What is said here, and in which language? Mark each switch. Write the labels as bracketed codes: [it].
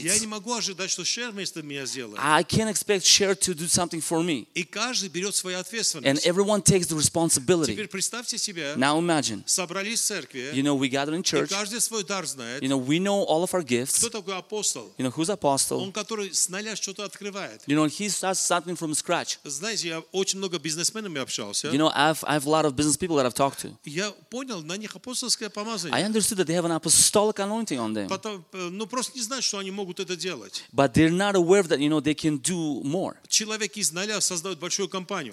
[ru] Я не могу ожидать, что Шер вместо меня сделает. [en] I can't expect Шер to do something for me. [ru] И каждый берет свою ответственность. [en] And everyone takes the responsibility. [ru] Теперь представьте себе, [en] now imagine, [ru] собрались в церкви, [en] you know, we gather in church, [ru] и каждый свой дар знает, [en] you know, we know all of our gifts. [ru] Кто такой апостол? [en] You know, who's apostle? [ru] Он, который с нуля что-то открывает. [en] You know, he starts something from scratch. [ru] Знаете, я очень много бизнесменами общался. [en] You know, I have a lot of business people that I've talked to. [ru] Я понял, на них апостольское помазание. [en] I understood that they have an apostolic anointing on them. [ru] Потом, ну просто не знают, что они могут это делать. [en] But they're not aware that, you know, they can do more. [ru] Человек из нуля создает большую компанию.